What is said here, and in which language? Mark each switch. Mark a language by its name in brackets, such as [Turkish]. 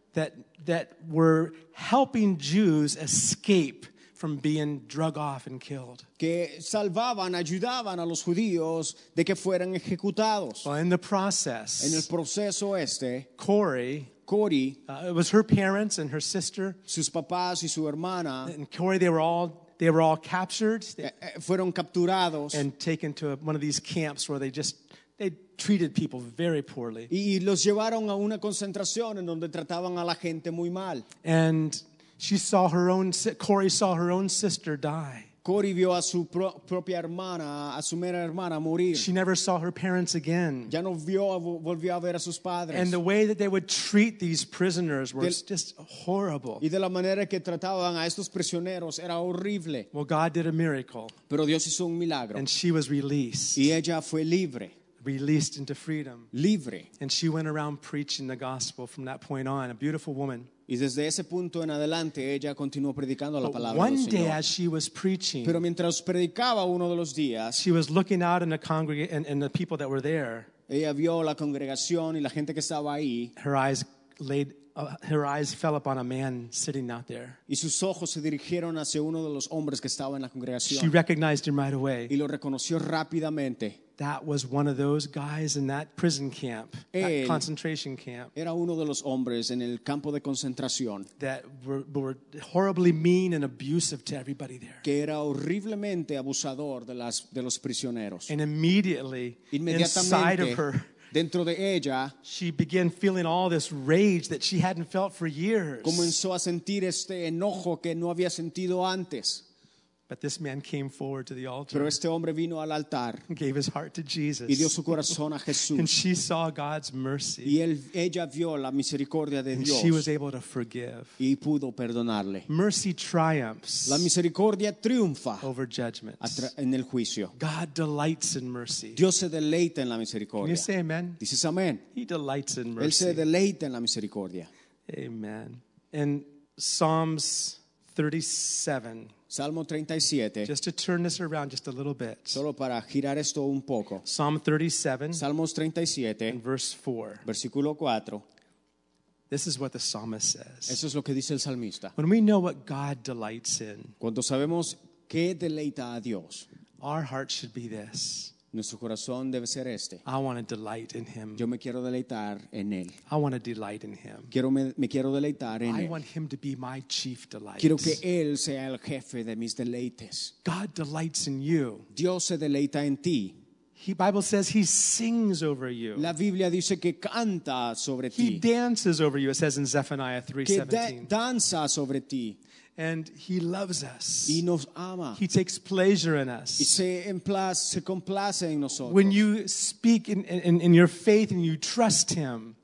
[English] that were helping Jews escape from being drug off and killed. [Spanish] Que salvaban, ayudaban a los judíos de que fueran ejecutados. [English] Well, in the process, [Spanish] en el proceso este, [English] Corrie, it was her parents and her sister. [Spanish] Sus papás y su hermana. [English] And Corrie, they were all captured. [Spanish] Fueron capturados. [English] And taken to one of these camps where they treated people very poorly. [Spanish] Y los llevaron a una concentración en donde trataban a la gente muy mal. [English] And she saw her own, Corrie saw her own sister die. [Spanish] Corrie vio a su propia hermana, a su mera hermana, morir. [English] She never saw her parents again. [Spanish] Ya no volvió a ver a sus padres. [English] And the way that they would treat these prisoners was just horrible. [Spanish] Y de la manera que trataban a estos prisioneros era horrible. [English] Well, God did a miracle. [Spanish] Pero Dios hizo un milagro. [English] And she was released. [Spanish] Y ella fue libre. [English] Released into freedom. [Spanish] Libre. [English] And she went around preaching the gospel from that point on. A beautiful woman. [Spanish] Y desde ese punto en adelante, ella continuó predicando la palabra del Señor. [English] One day as she was preaching, [Spanish] pero mientras predicaba uno de los días, [English] she was looking out in the congregation and the people that were there. [Spanish] Ella vio la congregación y la gente que estaba ahí. [English] Her eyes laid her eyes fell upon a man sitting out there. [Spanish] Y sus ojos se dirigieron hacia uno de los hombres que estaba en la congregación. [English] She recognized him right away. [Spanish] Y lo reconoció rápidamente. [English] That was one of those guys in that prison camp, that concentration camp. [Spanish] Era uno de los hombres en el campo de concentración. [English] That were horribly mean and abusive to everybody there. [Spanish] Que era horriblemente abusador de los prisioneros. [English] And immediately, inside of her, [Spanish] dentro de ella, [English] she began feeling all this rage that she hadn't felt for years. [Spanish] Comenzó a sentir este enojo que no había sentido antes. [English] But this man came forward to the altar. [Spanish] Pero este hombre vino al altar. [English] Gave his heart to Jesus. [Spanish] Y dio su corazón a Jesús. [English] And she saw God's mercy. [Spanish] Y ella vio la misericordia de Dios. [English] And she was able to forgive. [Spanish] Y pudo perdonarle. [English] Mercy triumphs. [Spanish] La misericordia triunfa. [English] Over judgment. [Spanish] En el juicio. [English] God delights in mercy. [Spanish] Dios se deleita en la misericordia. [English] Can you say amen? [Spanish] Dices amén. [English] He delights in mercy. [Spanish] Él se deleita en la misericordia. [English] Amen. In Psalms 37. [Spanish] Salmo 37. [English] Just to turn this around just a little bit. [Spanish] Solo para girar esto un poco. [English] Psalm 37. [Spanish] Salmos 37. [English] Verse 4. [Spanish] Versículo 4. [English] This is what the psalmist says. [Spanish] Eso es lo que dice el salmista. [English] When we know what God delights in. [Spanish] Cuando sabemos qué deleita a Dios. [English] Our heart should be this. [Spanish] Nuestro corazón debe ser este. [English] I want to delight in him. [Spanish] Yo me quiero deleitar en él. [English] I want to delight in him. [Spanish] Me quiero deleitar en [English] I [Spanish] él. [English] Want him to be my chief delight. [Spanish] Quiero que él sea el jefe de mis deleites. [English] God delights in you. [Spanish] Dios se deleita en ti. [English] The Bible says he sings over you. [Spanish] La Biblia dice que canta sobre [English] he [Spanish] ti. [English] He dances over you, it says in Zephaniah 3:17. [Spanish] Danza sobre ti. [English] And he loves us. [Spanish] Y nos ama. [English] He takes pleasure in us. [Spanish] Y se complace en nosotros. [English] When you speak in your faith and you trust him,